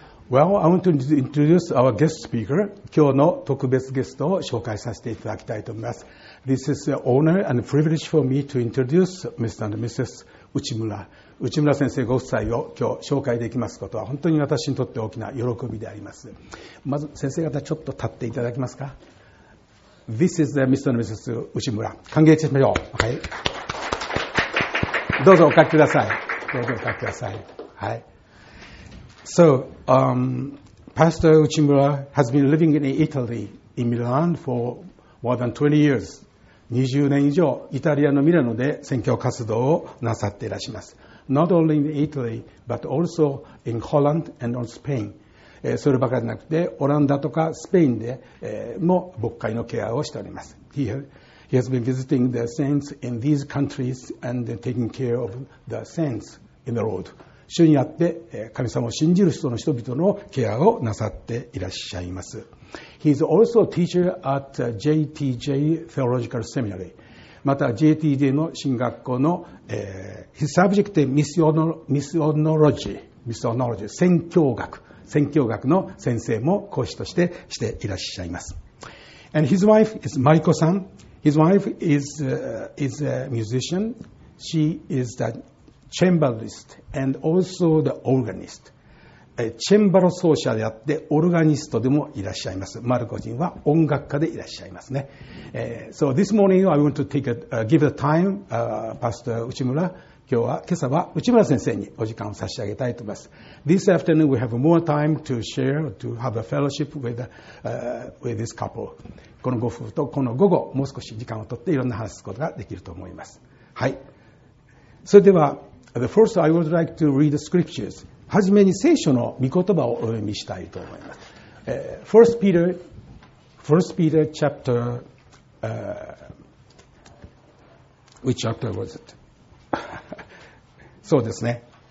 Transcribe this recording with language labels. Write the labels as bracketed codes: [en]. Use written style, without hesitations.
[en] Well, I want to introduce our guest speaker. [ja] 今日の特別ゲストを紹介させていただきたいと思います。 [en] This is an honor and privilege for me to introduce Mr. and Mrs. 内村。 [ja] 内村先生ご夫妻を今日紹介できますことは本当に私にとって大きな喜びであります。まず先生方ちょっと立っていただけますか。 [en] This is Mr. and Mrs. 内村。 [ja] 歓迎いたしましょう。はい。どうぞお書きください。どうぞお書きください。はい。 [en] So, Pastor Uchimura has been living in Italy, in Milan for more than 20 years. [ja] 20年以上、イタリアのミラノで宣教活動をなさっていらっしゃいます。 [en] Not only in Italy, but also in Holland and on Spain. [ja] そればかりなくて、オランダとかスペインで、も牧会のケアをしております。 [en] He has been visiting the saints in these countries and taking care of the saints in the Lord. [ja] 主にあって神様を信じる人の人々のケアをなさっていらっしゃいます。 [en] He is also a teacher at JTJ Theological Seminary. [ja] また JTJ の神学校の、 [en] His subject is Missionology, [ja] 宣教学。宣教学の先生も講師としてしていらっしゃいます。 [en] And his wife is Mariko-san. His wife is a musician. She is the cembalist and also the organist. [ja] チェンバロ奏者であってオルガニストでもいらっしゃいます。マルコ人は音楽家でいらっしゃいますね。 [en] So this morning I want to take give the time, Pastor Uchimura. [ja] 今日は今朝は内村先生にお時間を差し上げたいと思います。 [en] This afternoon we have more time to share, to have a fellowship with this couple. [ja] このご夫婦とこの午後もう少し時間をとっていろんな話すことができると思います。はい。それでは、 [en] the first I would like to read the scriptures. [ja] はじめに聖書の御言葉をお読みしたいと思います。 [en] First Peter chapter, which chapter was it? [ja] そうですね。